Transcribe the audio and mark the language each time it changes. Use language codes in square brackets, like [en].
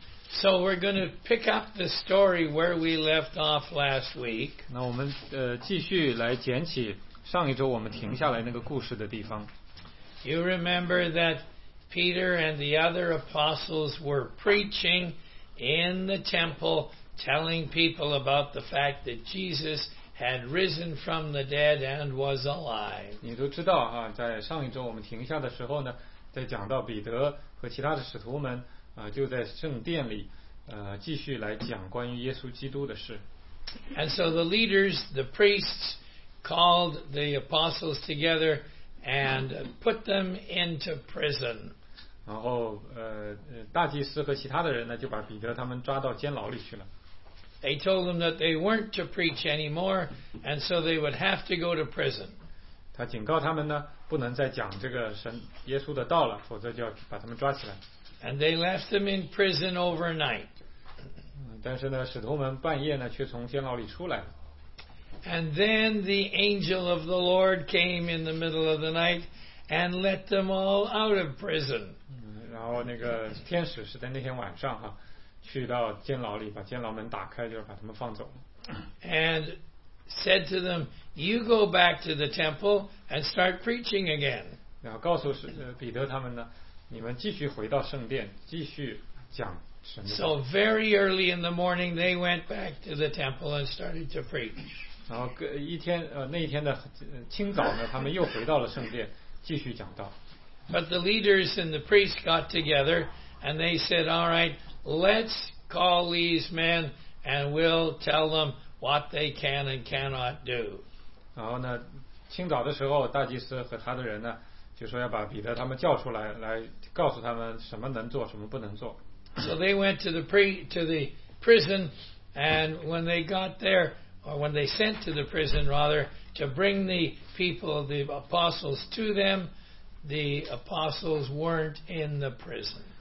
[en] So we're going to pick up the story where we left off last week. [zh] 那我们继续来捡起上一周我们停下来那个故事的地方。 [en] You remember that. Peter and the other apostles were preaching in the temple, telling people about the fact that Jesus had risen from the dead and was alive. [zh] 你都知道啊，在上一周我们停下的时候呢，在讲到彼得和其他的使徒们就在圣殿里继续来讲关于耶稣基督的事。 [en] And so the leaders, the priests, called the apostles together. And put them into prison. [zh] 然后大祭司和其他的人呢，就把彼得他们抓到监牢里去了。 [en] They told them that they weren't to preach anymore, and so they would have to go to prison. [zh] 他警告他们呢，不能再讲这个神耶稣的道了，否则就要把他们抓起来。 [en] And they left them in prison overnight. [zh] 但是呢，使徒们半夜呢，却从监牢里出来了。 [en] And then the angel of the Lord came in the middle of the night and let them all out of prison. [zh] 然后那个天使是在那天晚上哈，去到监牢里把监牢门打开，就把他们放走。 [en] And said to them, "You go back to the temple and start preaching again." [zh] 然后告诉彼得他们呢，你们继续回到圣殿，继续讲。 [en] So very early in the morning, they went back to the temple and started to preach. [zh] 然后一天那一天的清早呢，他们又回到了圣殿，继续讲道。 [en] But the leaders and the priests got together and they said, "All right, let's call these men and we'll tell them what they can and cannot do." [zh] 然后呢，清早的时候，大祭司和他的人呢，就说要把彼得他们叫出来，来告诉他们什么能做，什么不能做。 [en] So they went to the prison, and when they got there, or when they sent to the prison rather, to bring the people, the apostles to them, the apostles weren't in the prison.